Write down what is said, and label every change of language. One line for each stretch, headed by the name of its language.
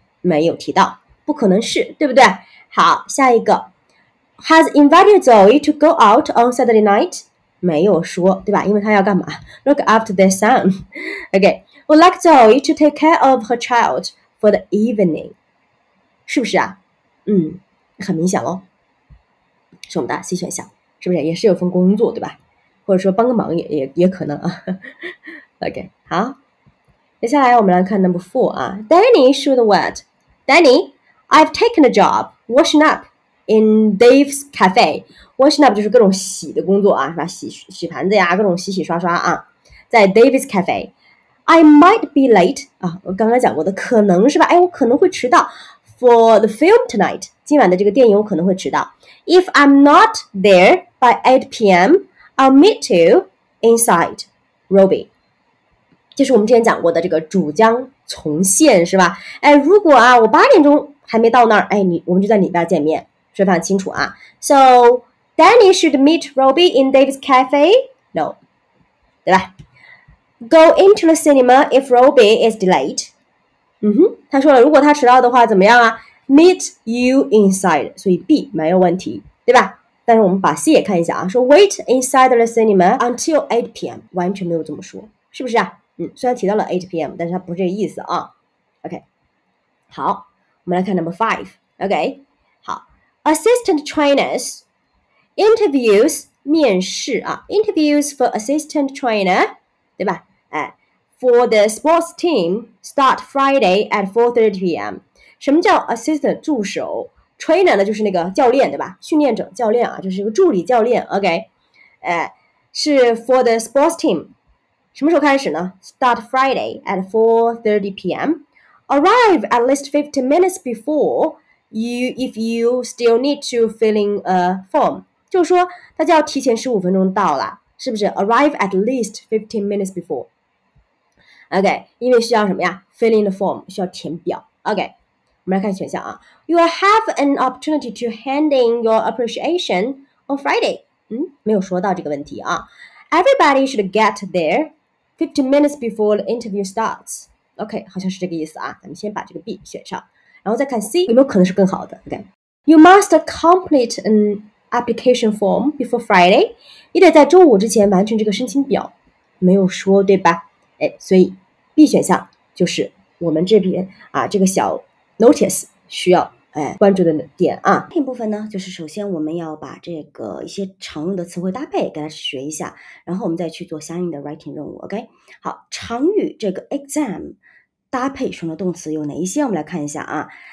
Chinese: 没有提到，不可能是，对不对？好，下一个。
English: Has invited Zoe to go out on Saturday night?
Chinese: 没有说，对吧？因为他要干嘛？
English: Look after their son. Okay. Would like Zoe to take care of her child for the evening?
Chinese: 是不是啊？嗯，很明显咯。是我们的 C 选项，是不是？也是有份工作，对吧？或者说帮个忙也可能啊。
English: Okay, 好。
Chinese: 接下来我们来看
English: number four 啊 ，Danny issued the word. Danny, I've taken a job washing up in Dave's cafe.
Chinese: Washing up 就是各种洗的工作啊，是吧？洗盘子呀，各种洗洗刷刷啊，在 Dave's cafe.
English: I might be late
Chinese: 啊，我刚刚讲过的可能是吧？哎，我可能会迟到
English: for the film tonight.
Chinese: 今晚的这个电影我可能会迟到。
English: If I'm not there by 8 p.m., I'll meet you inside, Robbie.
Chinese: 就是我们之前讲过的这个主将从现是吧，哎，如果啊我八点钟还没到那儿，哎，我们就在里边见面，说得很清楚啊。
English: So Danny should meet Roby in David's cafe? No，
Chinese: 对吧？
English: Go into the cinema if Roby is delayed。
Chinese: 嗯哼，他说了如果他迟到的话怎么样啊，
English: Meet you inside，
Chinese: 所以 B 没有问题，对吧？但是我们把 C 也看一下啊，说
English: Wait inside the cinema until 8 p.m.
Chinese: 完全没有这么说，是不是啊？嗯，虽然提到了 8 p.m. 但是它不是这个意思啊。
English: OK，
Chinese: 好，我们来看
English: number five。OK， 好 ，assistant trainers interviews
Chinese: 面试啊
English: ，interviews for assistant trainer，
Chinese: 对吧？
English: 哎 ，for the sports team start Friday at 4:30 p.m.
Chinese: 什么叫 assistant 助手 ？trainer 呢就是那个教练对吧？训练者教练啊，就是一个助理教练。
English: OK，
Chinese: 哎，是
English: for the sports team。
Chinese: 什么时候开始呢
English: ？Start Friday at 4:30 p.m. Arrive at least 15 minutes before you if you still need to fill in a form.
Chinese: 就是说，他就要提前15分钟到了，是不是 ？
English: Arrive at least 15 minutes before.
Chinese: OK， 因为需要什么呀 ？
English: Fill in the form，
Chinese: 需要填表。OK， 我们来看选项啊。
English: You will have an opportunity to hand in your appreciation on Friday.
Chinese: 嗯，没有说到这个问题啊。
English: Everybody should get there 15 minutes before the interview starts.
Chinese: OK， 好像是这个意思啊。咱们先把这个 B 选上，然后再看 C 有没有可能是更好的。
English: OK， you must complete an application form before Friday.
Chinese: 你得在周五之前完成这个申请表。没有说对吧？哎，所以 B 选项就是我们这边啊这个小 notice 需要。哎，关注的点啊，这部分呢，就是首先我们要把这个一些常用的词汇搭配给它学一下，然后我们再去做相应的 writing 任务。OK， 好，常与这个 exam 搭配使用的动词有哪一些？我们来看一下啊。